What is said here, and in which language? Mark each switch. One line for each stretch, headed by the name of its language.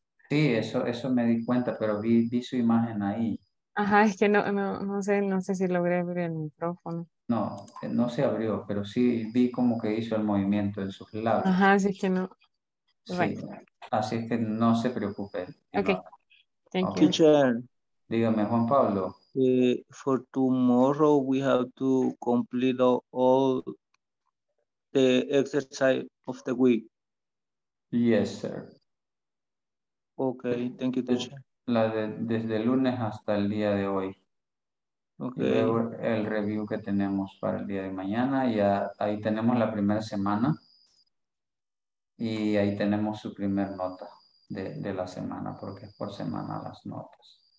Spanish: Sí, eso me di cuenta, pero vi su imagen ahí. Ajá, es que no sé si logré abrir el micrófono. No, no se abrió, pero sí vi como que hizo el movimiento en sus labios. Ajá, así que no.
English: Right.
Spanish: Sí, así es que no se preocupe.
English: Ok, thank you. Teacher.
Spanish: Dígame, Juan Pablo.
English: For tomorrow, we have to complete all the exercise of the week. Yes, sir. Okay, thank you, teacher.
Spanish: Desde el lunes hasta el día de hoy. Okay. El review que tenemos para el día de mañana. Ya ahí tenemos la primera semana. Y ahí tenemos su primer nota de la semana, porque es por semana las notas.